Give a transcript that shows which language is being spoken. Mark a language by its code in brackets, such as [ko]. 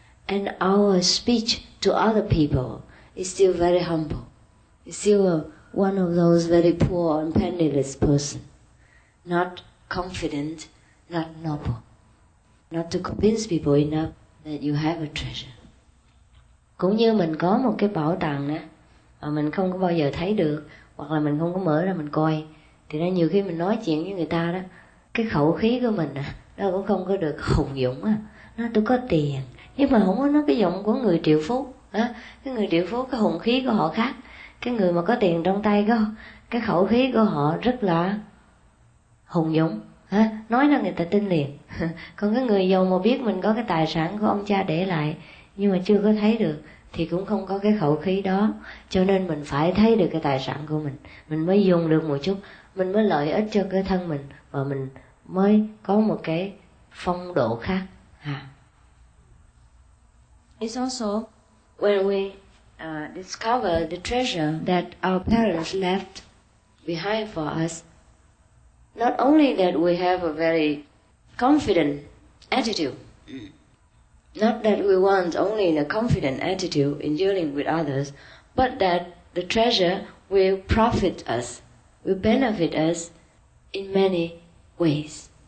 [en] And our speech to other people is still very humble. It's still one of those very poor and penniless person. Not confident, not noble. Not to convince people enough that you have a treasure. [vi] Cũng như mình có một cái bảo tàng nè, mà mình không có bao giờ thấy được, hoặc là mình không có mở ra mình coi, thì nó nhiều khi mình nói chuyện với người ta đó, cái khẩu khí của mình nó cũng không có được hùng dũng á. Nó tôi có tiền, nhưng mà không có nói cái giọng của người triệu phú. Cái người triệu phú, cái hùng khí của họ khác. Cái người mà có tiền trong tay, cái khẩu khí của họ rất là hùng dũng. Nói là người ta tin liền. Còn cái người giàu mà biết mình có cái tài sản của ông cha để lại nhưng mà chưa có thấy được thì cũng không có cái khẩu khí đó. Cho nên mình phải thấy được cái tài sản của mình, mình mới dùng được một chút, mình mới lợi ích cho cái thân mình, và mình mới có một cái phong độ khác. [en] It's also when we discover the treasure that our parents left behind for us, not only that we have a very confident attitude, not that we want only a confident attitude in dealing with others, but that the treasure will profit us, will benefit us in many ways.